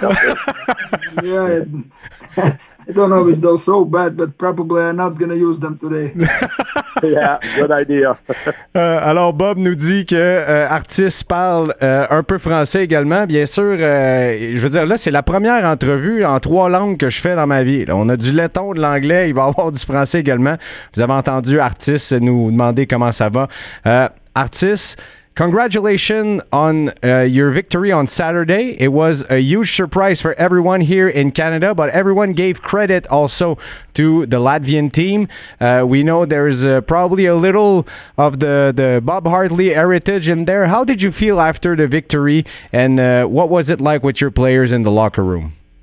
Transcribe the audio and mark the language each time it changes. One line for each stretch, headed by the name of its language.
English: I don't know if they're so bad, but probably I'm not going to use them today. Yeah, good idea.
French: Alors Bob nous dit que Artis parle un peu français également. Bien sûr, je veux dire, là c'est la première entrevue en 3 langues que je fais dans ma vie. Là, on a du letton, de l'anglais, il va y avoir du français également. Vous avez entendu Artis nous demander comment ça va.
English: Artis, congratulations on your victory on Saturday. It was a huge surprise for everyone here in Canada, but everyone gave credit also to the Latvian team. We know there's probably a little of the Bob Hartley heritage in there. How did you feel after the victory, and what was it like with your players in the locker room?